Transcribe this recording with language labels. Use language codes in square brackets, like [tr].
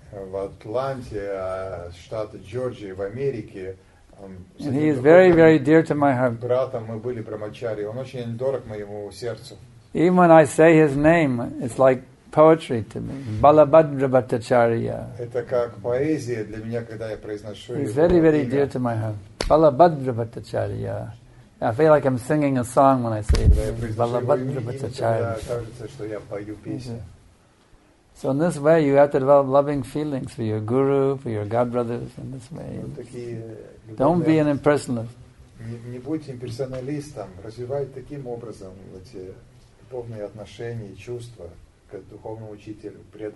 [ru] В Атланте, штат Джорджия, в Америке. [en] And he is very, very dear to my heart. [ru] Братом мы были брамачари. Он очень дорог моему сердцу. [en] Even when I say his name, it's like poetry to me. Balabhadra Bhattacharya. [ru] Это как поэзия для меня, когда я произношу его имя. [en] He's very, very dear to my heart. Balabhadra Bhattacharya. I feel like I'm singing a song when I say it. Balabhadra Bhattacharya. So in this way, you have to develop loving feelings for your guru, for your godbrothers, in this way. Don't be an impersonalist. [ru] Не будь имперсоналистом. Развивай таким образом эти духовные отношения и чувства к духовному учителю, преданным.